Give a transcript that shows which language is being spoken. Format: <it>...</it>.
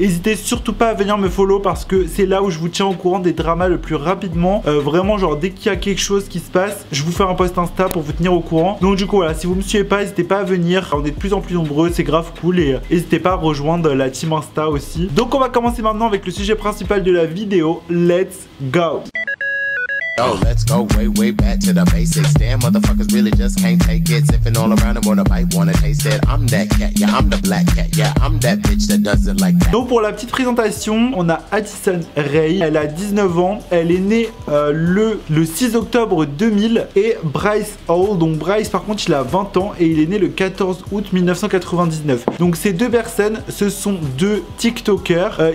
<fr>N'hésitez surtout pas à venir me follow parce que c'est là où je vous tiens au courant des dramas le plus rapidement. Vraiment, genre, dès qu'il y a quelque chose qui se passe, je vous fais un post Insta pour vous tenir au courant. Donc, du coup, voilà, si vous me suivez pas, n'hésitez pas à venir. On est de plus en plus nombreux, c'est grave cool. Et n'hésitez pas à rejoindre la team Insta aussi. Donc, on va commencer maintenant avec le sujet principal de la vidéo.</fr> <en>Let's go! Oh, let's go way, way back to the basics. Damn, motherfuckers really just can't take it. Sipping all around and wanna bite, wanna taste it. I'm that cat, yeah, I'm the black cat. Yeah, I'm that bitch that doesn't like that.</en> <fr>Donc pour la petite présentation, on a Addison Rae. Elle a 19 ans, elle est née le 6 octobre 2000. Et Bryce Hall, donc Bryce par contre il a 20 ans et il est né le 14 août 1999. Donc ces deux personnes, ce sont deux TikTokers.</fr>